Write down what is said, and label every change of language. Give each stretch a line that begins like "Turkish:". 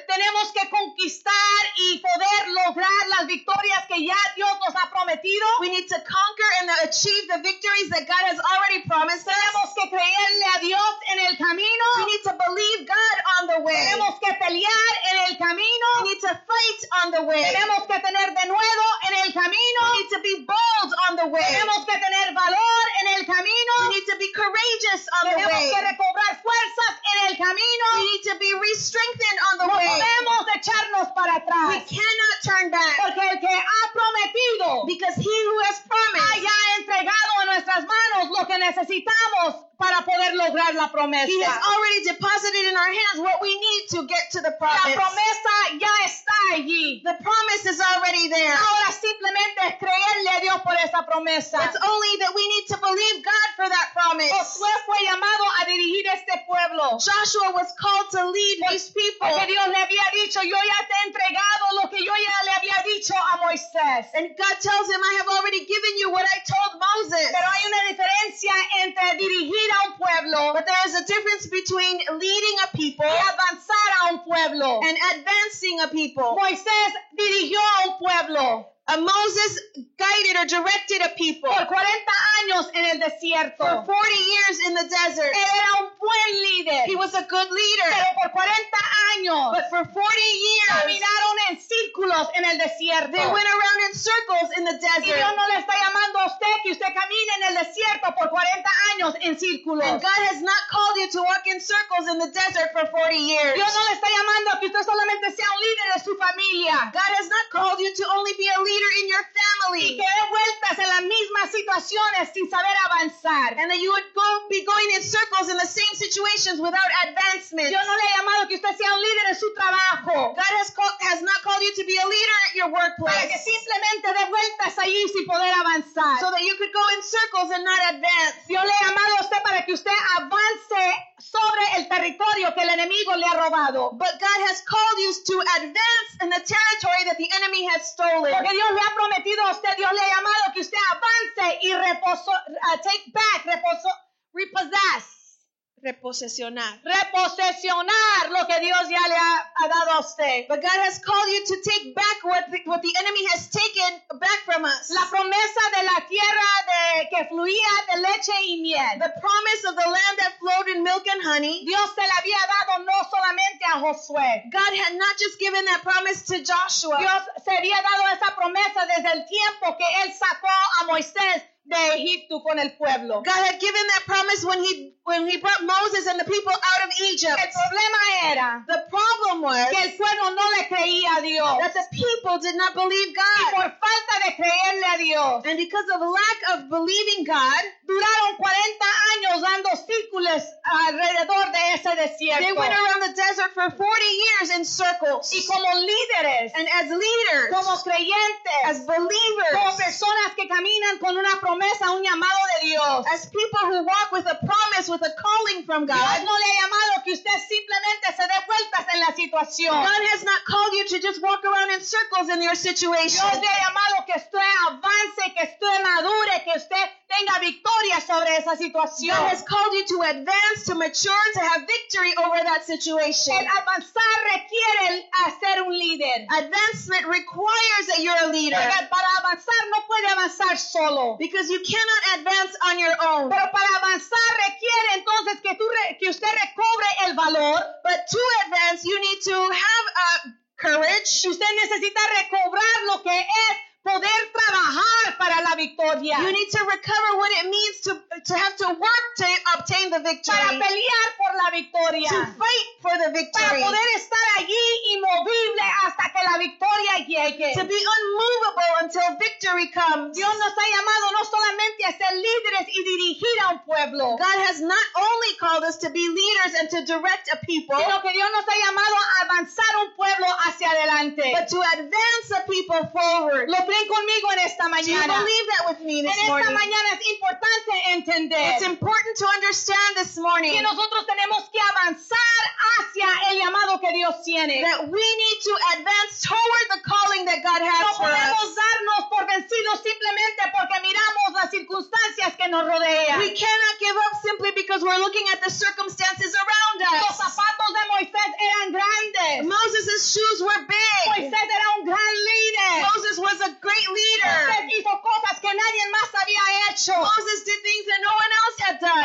Spanish: Tenemos que conquistar y poder lograr las victorias que ya Dios nos ha prometido.
English: We need to conquer and achieve the victories that God has already promised
Spanish: tenemos
English: us.
Spanish: Tenemos que creerle a Dios en el camino.
English: We need to believe God on the way.
Spanish: Tenemos que pelear en el camino.
English: We need to fight on the way.
Spanish: Tenemos que tener de nuevo en el camino.
English: We need to be bold on the way.
Spanish: Tenemos que tener valor en el camino.
English: We need to be courageous on
Spanish: tenemos
English: the way.
Spanish: Tenemos que recobrar fuerzas en el camino.
English: We need to be re-strengthened on the
Spanish: no
English: way.
Spanish: No podemos echarnos para atrás.
English: We cannot turn back.
Spanish: Porque el que ha prometido,
English: because he who has promised,
Spanish: haya entregado a nuestras manos lo que necesitamos para poder lograr la promesa.
English: He has already deposited in our hands what we need to get to the promise.
Spanish: La promesa ya está allí.
English: The promise is already there.
Spanish: Ahora simplemente es creerle a Dios por esa promesa.
English: It's only that we need to believe God for that promise.
Spanish: Josué fue llamado a dirigir este pueblo.
English: Joshua was called to lead these people.
Spanish: Porque Dios le había dicho, yo ya te he entregado lo que yo ya le había dicho a Moisés.
English: And God tells him, I have already given you what I told Moses.
Spanish: Pero hay un
English: there is a difference between leading a people
Spanish: y avanzar a un pueblo
English: and advancing a people.
Spanish: Moisés dirigió a un pueblo.
English: Moses guided or directed a people
Spanish: por 40 años en el desierto.
English: For 40 years in the desert.
Spanish: Era un buen líder.
English: He was a good leader.
Spanish: Pero por 40 años,
English: but for 40 years
Spanish: caminaron en círculos en el desierto.
English: They went around in circles in the desert.
Spanish: Y Dios no le está llamando a usted que usted camine en el desierto por 40 años en círculos.
English: And God has not called you to walk in circles in the desert for 40 years.
Spanish: Dios no le está llamando a que usted solamente sea un líder de su familia.
English: God has not called you to only be a leader in your family.
Spanish: Y que de vueltas en las mismas situaciones sin saber avanzar.
English: And that you would go, be going in circles in the same situations without advancement.
Spanish: Dios no le ha llamado que usted sea un líder en su trabajo.
English: God has not called you to be a leader at your workplace.
Spanish: Para que simplemente de vueltas allí sin poder avanzar.
English: So that you could go in circles and not advance.
Spanish: Dios le ha llamado a usted para que usted avance sobre el territorio que el enemigo le ha robado.
English: But God has called you to advance in the territory that the enemy has stolen.
Spanish: Porque Dios le ha prometido a usted, Dios le ha llamado que usted avance y reposo,
English: take back,
Spanish: reposo,
English: repossess.
Spanish: Reposesionar lo que Dios ya le ha dado a usted.
English: But God has called you to take back what the enemy has taken back from us.
Spanish: La promesa de la tierra de que fluía de leche y miel.
English: The promise of the land that flowed in milk and honey.
Spanish: Dios se la había dado no solamente a Josué.
English: God had not just given that promise to Joshua.
Spanish: Dios se había dado esa promesa desde el tiempo que él sacó a Moisés de Egipto con el pueblo.
English: God had given that promise when he brought Moses and the people out of Egypt.
Spanish: El problema era,
English: the problem was,
Spanish: que el pueblo no le creía a Dios.
English: That the people did not believe God.
Spanish: Y por falta de creerle a Dios.
English: And because of lack of believing God,
Spanish: duraron 40 años dando círculos alrededor de ese desierto.
English: They went around the desert for 40 years in circles.
Spanish: Y como líderes,
English: and as leaders,
Spanish: como creyentes,
English: as believers,
Spanish: como personas que caminan con una promesa, un llamado de Dios.
English: As people who walk with a promise, with a calling from God.
Spanish: Dios no le ha llamado que usted simplemente se dé vueltas en la situación.
English: God has not called you to just walk around in circles in your situation.
Spanish: Dios le ha llamado que usted avance, que usted madure, que usted tenga victoria sobre esa situación.
English: God has called you to advance, to mature, to have victory over that situation.
Spanish: El avanzar requiere ser un líder.
English: Advancement requires that you're a leader.
Spanish: Porque para avanzar no puede avanzar solo.
English: Because you cannot advance on your own.
Spanish: Pero para avanzar requiere entonces que usted recobre el valor.
English: But to advance, you need to have courage.
Spanish: Usted necesita recobrar lo que es poder trabajar para la victoria.
English: You need to recover what it means to have to work to obtain the victory.
Spanish: Para pelear por la victoria.
English: To fight for the victory.
Spanish: Para poder estar allí inmovible hasta que la victoria llegue.
English: To be unmovable until victory comes.
Spanish: Dios nos ha llamado no solamente a ser líderes y dirigir a un pueblo.
English: God has not only called us to be leaders and to direct a people.
Spanish: Sino que Dios nos ha llamado a avanzar un pueblo hacia adelante.
English: But to advance a people forward.
Spanish: Creen conmigo en esta mañana.
English: Do you believe that with me this
Spanish: en esta
English: morning?
Spanish: Mañana es importante entender.
English: It's important to understand this morning.
Spanish: Que nosotros tenemos que avanzar hacia el llamado que Dios tiene.
English: That we need to advance toward the calling that God has
Spanish: no
English: for us.
Spanish: No podemos darnos por vencidos simplemente porque miramos las circunstancias que nos rodean.
English: We cannot give up simply because we're looking at the circumstances around us.
Spanish: Los zapatos de Moisés eran grandes.
English: Moses' shoes were big.
Spanish: Moisés era un gran líder.
English: Moses was a great leader.
Spanish: Moses hizo cosas que nadie más había hecho.
English: Moses did things that no one else had done.